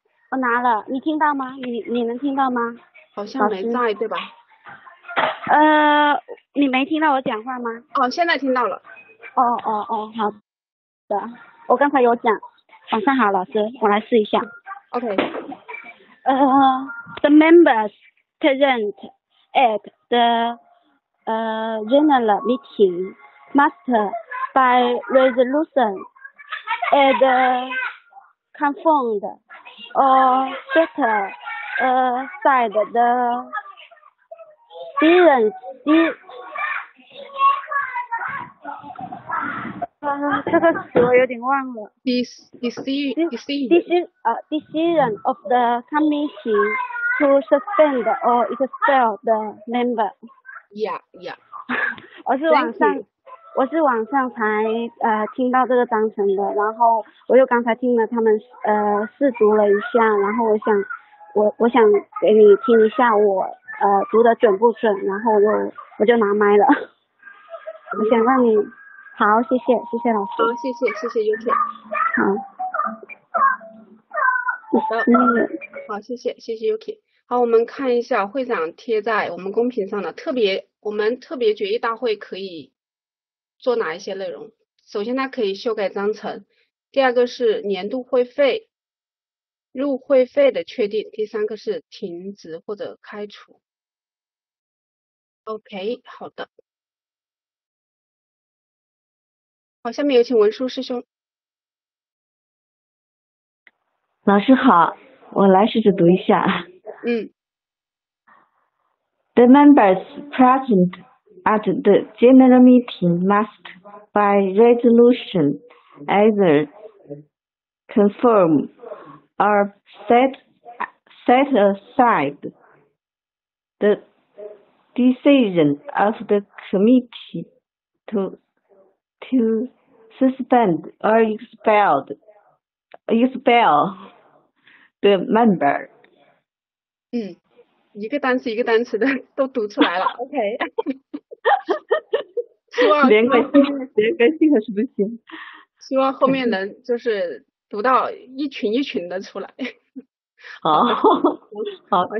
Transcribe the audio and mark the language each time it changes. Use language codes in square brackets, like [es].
[zh] 我拿了。你听到吗？你能听到吗？好像没在，对吧？你没听到我讲话吗？哦，现在听到了。哦，好的，我刚才有讲。晚上好，老师，我来试一下。 OK。 [en] The members present at the general meeting must by resolution and confirmed or set aside the. [zh] 这个词我有点忘了。 [en] Decision of the committee to suspend or expel the member. Yeah. [zh] 我是网上才听到这个章程的，然后我又刚才听了他们试读了一下，然后我想给你听一下我。读得准不准，然后我就拿麦了。我想让你好，谢谢老师。好，谢谢 Yuki。好，谢谢 Yuki。好，我们看一下会长贴在我们公屏上的我们特别决议大会可以做哪一些内容。首先它可以修改章程，第二个是年度会费入会费的确定，第三个是停职或者开除。 OK， 好的。好，下面有请文书师兄。老师好，我来试着读一下。嗯。 The members present at the general meeting must, by resolution, either confirm or set aside the decision of the committee to suspend or expel the member. 嗯。一个单词一个单词的都读出来了，OK。希望连贯性，连贯性还是不行。希望后面能就是读到一群一群的出来。好，好，